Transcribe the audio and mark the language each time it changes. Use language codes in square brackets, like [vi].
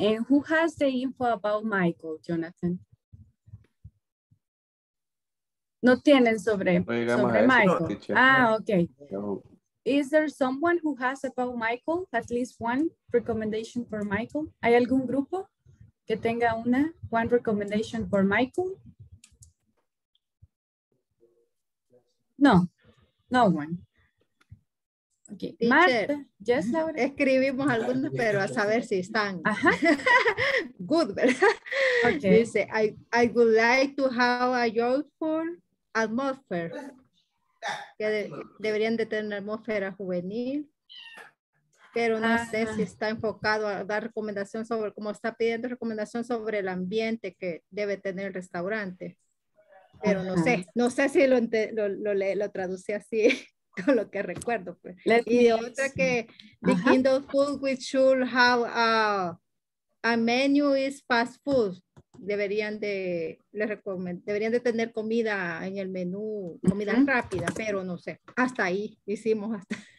[en] And who has the info about Michael, Jonathan? [es] No tienen sobre Michael. Ah, okay. [en] Is there someone who has about Michael, at least one recommendation for Michael? [es] ¿Hay algún grupo que tenga una, [en] one recommendation for Michael? No, no one. Okay, teacher, Marta, yes, Laura. [es] Escribimos algunos, pero a saber si están. Ajá. [en] Good, [es] ¿verdad? [en] Okay. [es] Dice, [en] I would like to have a joyful atmosphere. [es] Que deberían de tener una atmósfera juvenil, pero no sé si está enfocado a dar recomendación sobre, como está pidiendo recomendación sobre el ambiente que debe tener el restaurante, pero no sé, no sé si lo traducí así, con lo que recuerdo. Pues. Y de otra que, [en] the kind of food we should have a menu is fast food. [es] Deberían de tener comida en el menú, comida rápida, pero no sé, hasta ahí hicimos hasta.